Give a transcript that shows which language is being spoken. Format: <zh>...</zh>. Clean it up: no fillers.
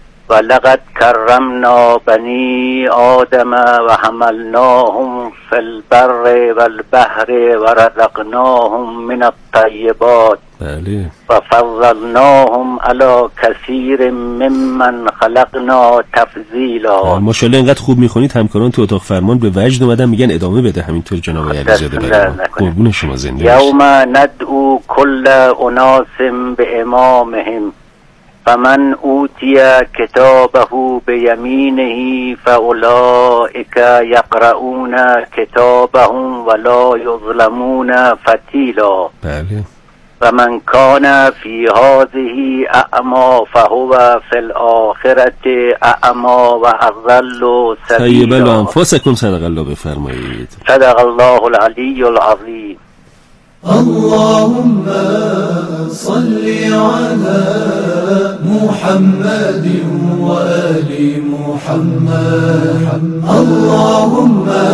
<ar>ولقد كرمنا بني آدم وحملناهم في البر والبحر ورزقناهم من الطيبات وفضلناهم على كثير ممن خلقنا تفضيلا.</ar> <fa>ما شاء الله، اینقدر خوب میخونید، همکاران تو اتاق فرمان به وجد اومدن، میگن ادامه بده همینطور جناب علیزاده. قربون شما، زنده باشید.</fa> <ar>یوم ندعو كل اناس به امامهم فمن اوتی کتابه به یمینه فاولائک یقرؤون کتابهم ولا یظلمون فتیلا.</ar> <fa>بله.</fa> <ar>و من کان فی هذه اعما فهو فی الاخره اعما و اضل سبیلا. طیب الانفسکم، صدق الله، بفرمایید. صدق الله العلی العظیم. اللهم صل على محمد وآل محمد. اللهم</ar>